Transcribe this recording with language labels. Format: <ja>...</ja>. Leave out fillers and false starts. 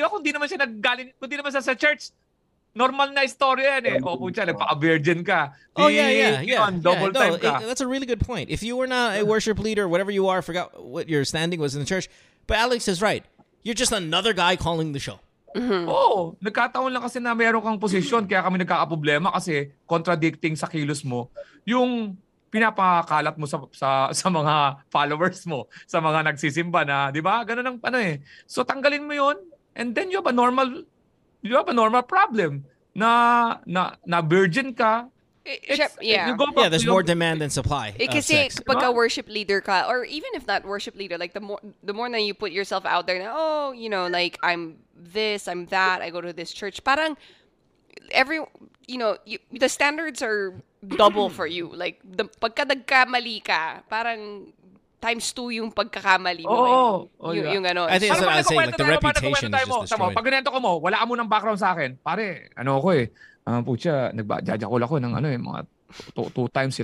<tl>Di ba kung di naman siya naggaling, kung di naman siya sa church, normal na story yan eh. O pucha, nagpa-virgin ka.</tl> <en>Oh, yeah.</en> <tl>Double time ka.</tl> <en>That's a really good point. If you were not a worship leader, whatever you are, forgot what your standing was in the church. But Alex is right. You're just another guy calling the show. Mm-hmm.</en> <tl>Oh, nagkataon lang kasi na mayroon kang position kaya kami nagkakaproblema kasi contradicting sa kilos mo yung pinapakalat mo sa mga followers mo, sa mga nagsisimba na, di ba? Ganun ang ano eh. So tanggalin mo yon</tl> <en>and then you have a normal... You have a normal problem.</en> <tl>Na virgin ka.</tl> <en>There's more demand than supply.</en> <tl>Kasi kapag</tl> <en>worship leader ka, or even if not worship leader, like the more that you put yourself out there, like I'm this, I'm that, I go to this church.</en> <tl>Parang</tl> <en>every, the standards are double for you.</en> <tl>Like the pagka nagkamali ka, parang times two yung pagkakamali mo. Yung</tl> <en>I think that's what I was saying. Like the reputation is just destroyed.</en> <tl>Pag ganito ko mo, wala ka munang background sa akin. Pare, ano ako eh. Pucha, nagja-jackal ako ng ano eh, mga two times eh.</tl>